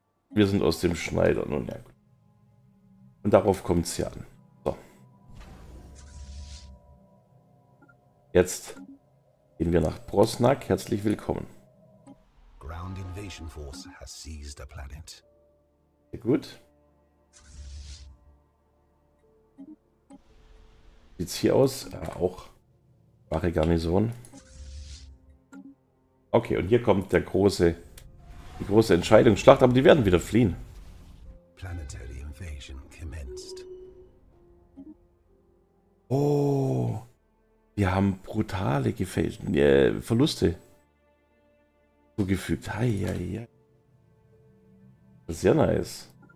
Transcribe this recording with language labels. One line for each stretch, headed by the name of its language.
German: wir sind aus dem Schneider. Nun ja, gut. Und darauf kommt es ja an. So. Jetzt gehen wir nach Prosnak. Herzlich willkommen.
English: Ground Invasion Force has seized the planet.
German: Sehr gut. Sieht's hier aus? Auch wache Garnison. Okay, und hier kommt der große, die große Entscheidungsschlacht, aber die werden wieder fliehen.
English: Planetary invasion commenced.
German: Oh, wir haben brutale Verluste zugefügt. Hei, hei, hei. Sehr nice.